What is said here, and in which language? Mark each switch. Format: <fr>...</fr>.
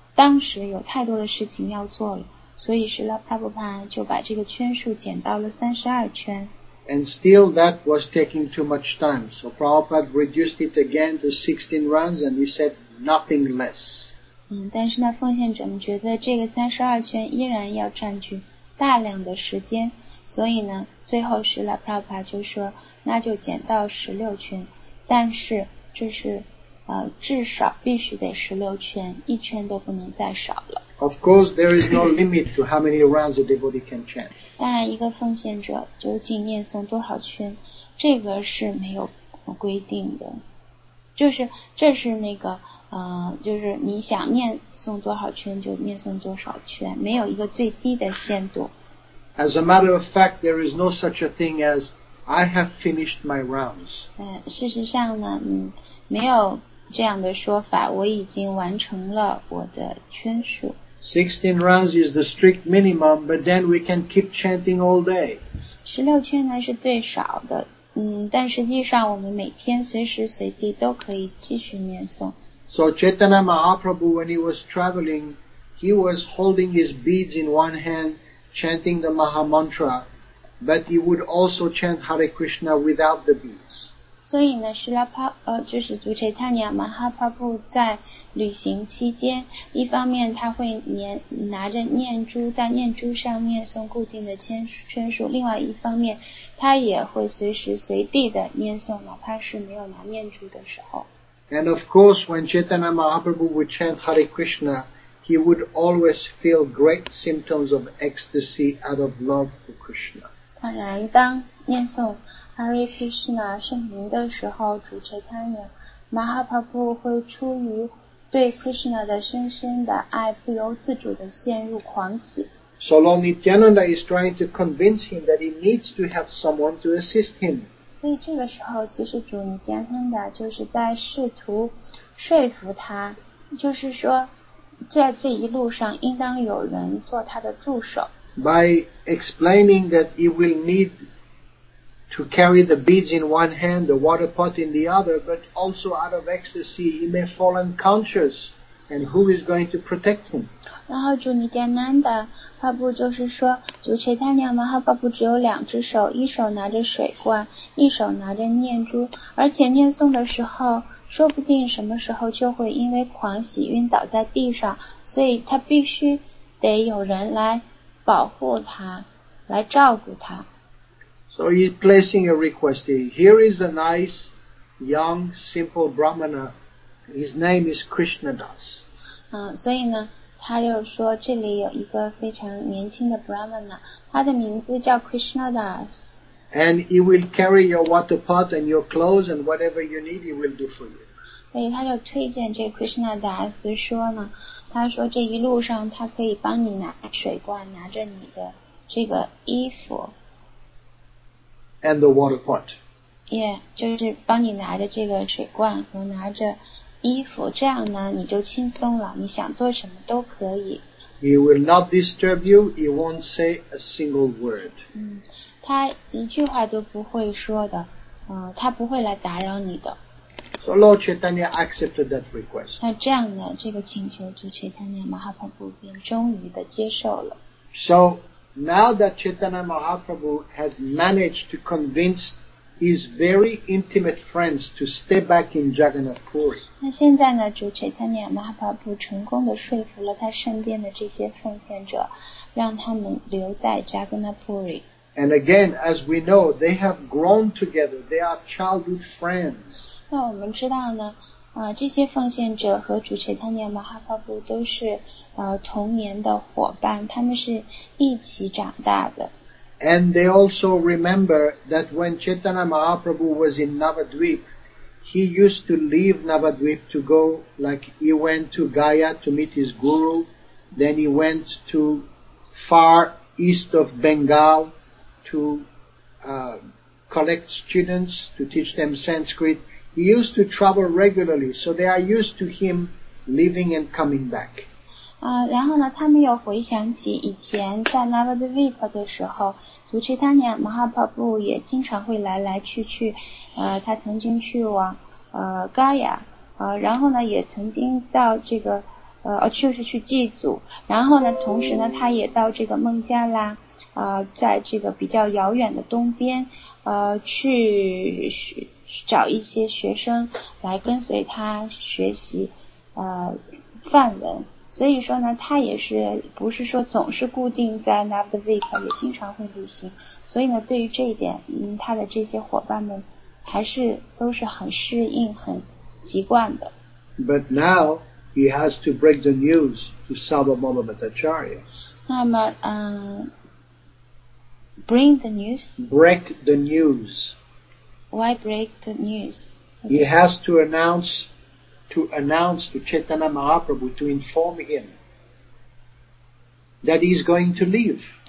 <zh>当时有太多的事情要做了，所以是拉帕布帕就把这个圈数减到了32圈。</zh> <en>And still that was taking too much time. So Prabhupada reduced it again to 16 runs and he said nothing less.</en> <zh>但是呢奉献者们觉得这个32圈依然要占据大量的时间，所以呢最后是拉帕布帕就说那就减到16圈，但是这是至少必须得16圈，一圈都不能再少了。</zh> <en>Of course, there is no limit to how many rounds a devotee can chant.</en> <zh>当然，一个奉献者究竟念诵多少圈，这个是没有规定的。就是这是那个就是你想念诵多少圈就念诵多少圈，没有一个最低的限度。</zh> <en>As a matter of fact, there is no such a thing as I have finished my rounds.</en> <zh>事实上呢，没有这样的说法，我已经完成了我的圈数。</zh> <en>16 rounds is the strict minimum, but then we can keep chanting all day.</en> <zh>16圈呢是最少的，但实际上我们每天随时随地都可以继续念诵。</zh> <en>So Chaitanya Mahaprabhu, when he was traveling, he was holding his beads in one hand, chanting the Maha Mantra, but he would also chant Hare Krishna without the beads.</en> <zh>所以呢，是拉帕就是祖切塔尼亚马哈帕布在旅行期间，一方面他会拿着念珠在念珠上念诵固定的圈数，另外一方面他也会随时随地的念诵，哪怕是没有拿念珠的时候。</zh> <en>And of course, when Chaitanya Mahaprabhu would chant Hare Krishna, he would always feel great symptoms of ecstasy out of love for Krishna.</en> <zh>当然当念诵 Hare Krishna 圣名的时候，主持他们马哈帕布会出于对 Krishna 的深深的爱，不由自主的陷入狂喜。</zh> <en>So Lord Nityananda is trying to convince him that he needs to have someone to assist him.</en> <zh>所以这个时候其实主尼加南达就是在试图说服他，就是说在这一路上应当有人做他的助手。</zh> <en>By explaining that he will need to carry the beads in one hand, the water pot in the other, but also out of ecstasy, he may fall unconscious. And who is going to protect him?</en> <zh>然后主尼加南达帕布就是说，主切塔尼亚马哈帕布只有两只手，一手拿着水罐，一手拿着念珠，而且念诵的时候，说不定什么时候就会因为狂喜晕倒在地上，所以他必须得有人来。保护他，来照顾他。</zh> <en>So he's placing a request. Here is a nice, young, simple Brahmana. His name is Krishnadas.</en> <zh>所以呢，他就说这里有一个非常年轻的 Brahmana， 他的名字叫 Krishnadas。</zh> <en>And he will carry your water pot and your clothes and whatever you need, he will do for you.</en> <zh>所以他就推荐这 Krishnadas 说呢。他说这一路上他可以帮你拿水罐，拿着你的这个衣服</zh> <en>and the water pot.</en> <zh>Yeah, 就是帮你拿着这个水罐和拿着衣服，这样呢你就轻松了，你想做什么都可以。</zh> <en>He will not disturb you, he won't say a single word.</en> <zh>他一句话都不会说的，他不会来打扰你的。</zh> <en>So Lord Chaitanya accepted that request.</en> <zh>那这样呢，这个请求主切塔尼亚马哈帕布便终于的接受了。</zh> <en>So now that Chaitanya Mahaprabhu had managed to convince his very intimate friends to stay back in Jagannath Puri.</en> <zh>那现在呢，主切塔尼亚马哈帕布成功的说服了他身边的这些奉献者，让他们留在 Jagannath Puri。</zh> <en>And again, as we know, they have grown together. They are childhood friends.</en> <zh>那我们知道呢，这些奉献者和主切塔尼亚马哈帕布都是童年的伙伴，他们是一起长大的。</zh> <en>And they also remember that when Chaitanya Mahaprabhu was in Navadvip, he used to leave Navadvip to go, like he went to Gaya to meet his guru, then he went to far east of Bengal to collect students to teach them Sanskrit. He used to travel regularly, so they are used to him leaving and coming back.</en> <zh>然后呢，他们又回想起以前在 Navadvip 的时候，祖切塔尼亚马哈帕布也经常会来来去去。他曾经去往Gaya，然后呢，也曾经到这个就是去祭祖，然后呢同时呢他也到这个孟加拉在这个比较遥远的东边去找一些学生来跟随他学习梵文。所以说呢他也是不是说总是固定在 Navdvip， 也经常会旅行，所以呢对于这一点他的这些伙伴们还是都是很适应很习惯的。</zh> <en>But now he has to break the news to Sabamama Bhattacharya.</en> <zh>那么</zh> <en>bring the news? Break the news. Why break the news? He has to announce to Chaitanya Mahaprabhu, to inform him that he's going to leave.</en>